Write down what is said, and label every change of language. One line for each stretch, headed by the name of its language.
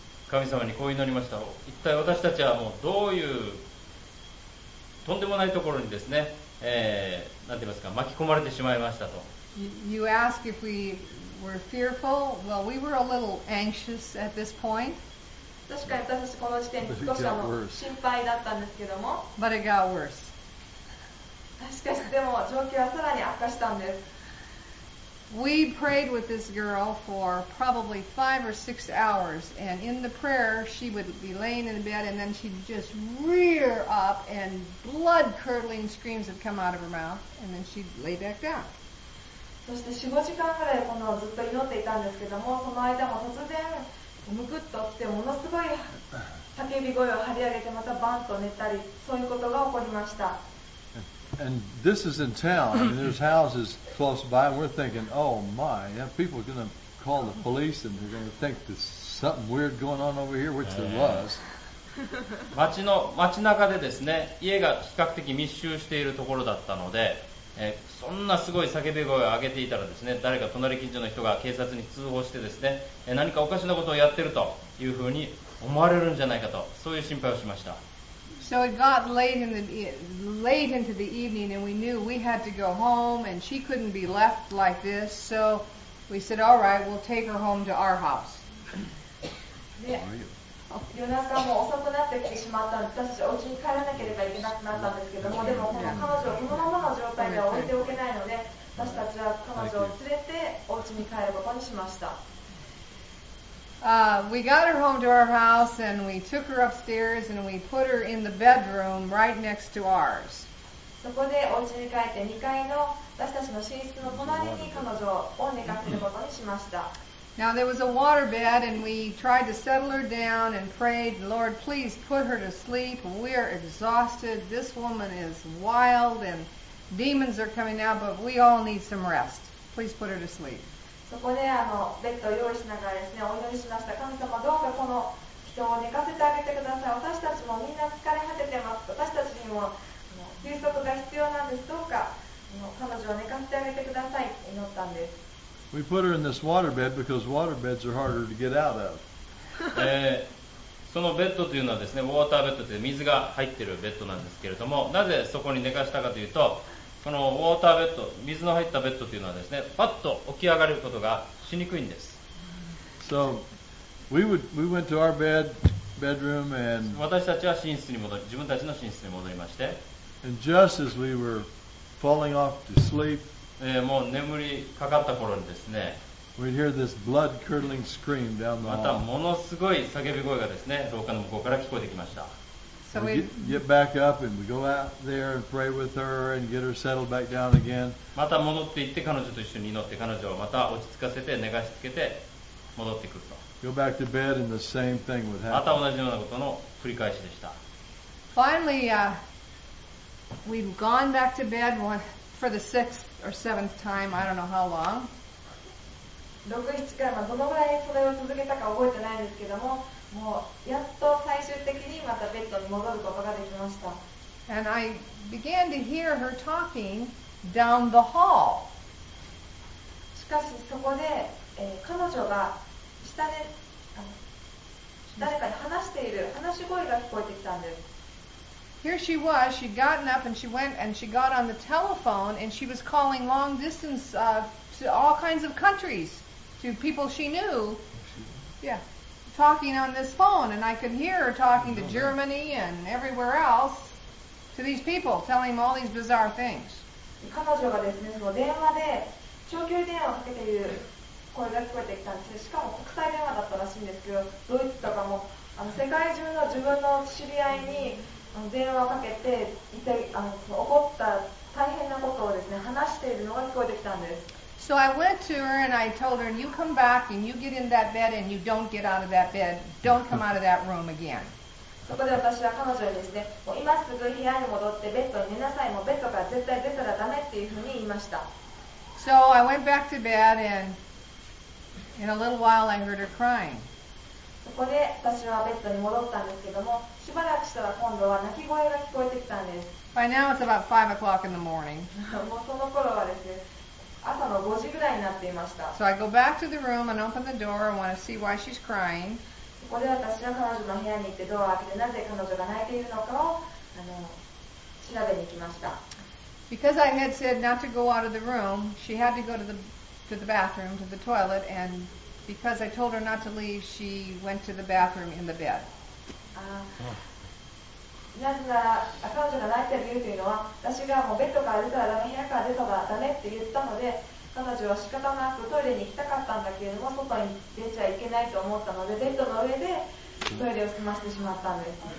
Japanese: 神様にこう祈りました。一体私たちはもうどういうとんでもないところにですね、なんて言いますか、巻き込まれてしまいましたと。
English: You ask if we were fearful. Well, we were a little anxious at this point.
Japanese: 確かに私たちこの時点で少しは心配だったんですけども。
English: But it got worse.
Japanese: しかしでも状況はさらに悪化したんです。
English: We prayed with this girl for probably 5 or 6 hours, and in the prayer, she would be laying in the bed, and then she'd just rear up, and blood-curdling screams would come out of her mouth, and then she'd lay back down.
Japanese: そして 4、5 時間ぐらいこのずっと祈っていたんですけども、その間も突然、むくっと起きて、ものすごい叫び声を張り上げて、またバンと寝たり、そういうことが起こりました。
English: And this is in town, and there's houses close by, and we're thinking, oh my, people are going to call the police, and they're going to think there's something weird going on over here, which there was.
Japanese: 街中でですね、家が比較的密集しているところだったので、そんなすごい叫び声を上げていたらですね、誰か隣近所の人が警察に通報してですね、何かおかしなことをやってるというふうに思われるんじゃないかと、そういう心配をしました。
English: So it got late into the evening, and we knew we had to go home, and she couldn't be left like this. So we said, "All right, we'll take her home to our house." Yeah. We got her home to our house and we took her upstairs and we put her in the bedroom right next to ours.
Japanese: そこでお家に帰って2階の私たちの寝室の隣に彼女を寝かせることにしました。
English: Now there was a water bed and we tried to settle her down and prayed, Lord, please put her to sleep. We are exhausted. This woman is wild and demons are coming out, but we all need some rest. Please put her to sleep.
Japanese: そこでベッドを用意しながらですね、お祈りしました。神様、どうかこの人を寝かせてあげてください。私たちもみんな疲れ果ててます。私たちにも休息が必要なんです。どうか彼女を寝かせてあげてください。祈ったんです。
English: We put her in this water bed because water beds are harder to get out of.
Japanese: そのベッドというのはですね、ウォーターベッドという水が入っているベッドなんですけれども、なぜそこに寝かしたかというと、そのウォーターベッド、水の入ったベッドというのはですね、パッと起き上がることがしにくいんです。
English: So, we went to our bedroom and
Japanese: 私たちは寝室に戻り、自分たちの寝室に戻りまして、
English: And just as we were falling off to sleep,
Japanese: もう眠りかかった頃にですね、
English: We'd hear this blood-curdling scream down the hall.
Japanese: またものすごい叫び声がですね、廊下の向こうから聞こえてきました。
English: So we get back up and we go out there and pray with her and get her settled back down again.
Japanese: また戻って行って彼女と一緒に祈って彼女をまた落ち着かせて寝かしつけて戻ってくると。
English: Go back to bed and the same thing would happen.
Japanese: また同じようなことの繰り返しでした。
English: Finally, we've gone back to bed for the sixth. Or seventh time, I don't know how long.
Japanese: 6-7回、どのぐらいそれを続けたか覚えてないんですけども、もうやっと最終的にまたベッドに戻ることができました。
English: And I began to hear her talking down the hall.
Japanese: しかしそこで、彼女が下で誰かに話している話し声が聞こえてきたんです。
English: Here she was, she'd gotten up and she went and she got on the telephone and she was calling long distance to all kinds of countries, to people she knew, yeah, talking on this phone. And I could hear her talking to Germany and everywhere else, to these people, telling them all these bizarre things.
Japanese: 彼女がですね、その電話で長距離電話をかけている声が聞こえてきたんです。しかも国際電話だったらしいんですけど、ドイツとかも世界中の自分の知り合いに電話をかけて一体起こった大変なことをですね話しているのが聞こえてきたんです。
English: So I went to her and I told her, you come back and you get in that bed and you don't get out of that bed, don't come out of that room again.
Japanese: そこで私は彼女にですね、もう今すぐ部屋に戻ってベッドに寝なさい、もうベッドから絶対出たらダメっていうふうに言いました。
English: So I went back to bed and in a little while I heard her crying.
Japanese: そこで私はベッドに戻ったんですけども、しばらくしたら今度は泣き声が聞こえてきたんです。
English: By now it's about 5 o'clock in the morning.
Japanese: もうその頃はですね、朝の5時ぐらいになっていました。
English: So I go back to the room and open the door and want to see why she's crying.
Japanese: そこで私は彼女の部屋に行ってドアを開けて、なぜ彼女が泣いているのかを調べに行きました。
English: Because I had said not to go out of the room, she had to go to the bathroom, to the toilet, andBecause I told her not to leave, she went to the bathroom in the bed.
Japanese: なぜなら、彼女が泣いている理由というのは、私がもうベッドから出たらダメ、部屋から出たらダメって言ったので、彼女は仕方なくトイレに行きたかったんだけれども、外に出ちゃいけないと思ったので、ベッドの上でトイレを済ませてしまったんです。